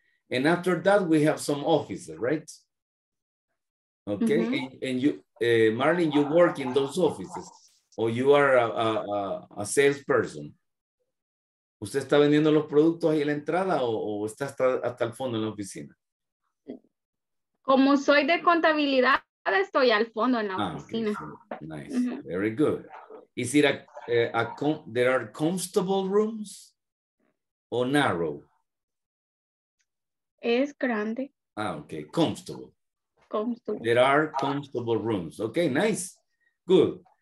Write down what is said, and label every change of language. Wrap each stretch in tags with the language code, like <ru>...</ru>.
<en>And after that, we have some offices, right? Okay. Mm-hmm. And you, Marlene, you work in those offices, or you are a salesperson?</en> <es>¿Usted está vendiendo los productos ahí en la entrada o está hasta el fondo en la oficina? Como soy de contabilidad, estoy al fondo en la oficina.</es> <en>Okay. Nice. Mm-hmm. Very good. Is it there are comfortable rooms or narrow?</en> <es>Es grande.</es> <en>Ah, okay. Comfortable. Comfortable. There are comfortable rooms. Okay, nice. Good.</en>